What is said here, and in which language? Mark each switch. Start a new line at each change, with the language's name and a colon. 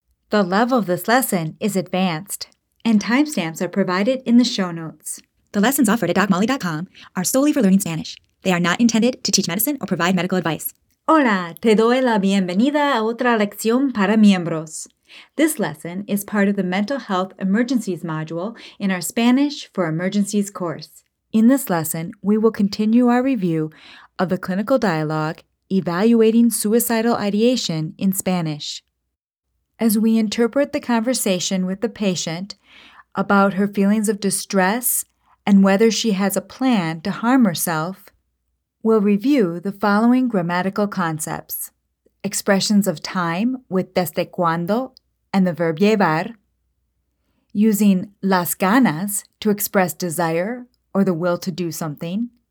English: The level of this lesson is advanced, and timestamps are provided in the show notes. The lessons offered at DocMolly.com are solely for learning Spanish. They are not intended to teach medicine or provide medical advice.
Spanish: Hola, te doy la bienvenida a otra lección para miembros.
English: This lesson is part of the Mental Health Emergencies module in our Spanish for Emergencies course. In this lesson, we will continue our review of the clinical dialogue, Evaluating Suicidal Ideation in Spanish. As we interpret the conversation with the patient about her feelings of distress and whether she has a plan to harm herself, we'll review the following grammatical concepts: expressions of time with desde cuando and the verb llevar, using las ganas to express desire or the will to do something,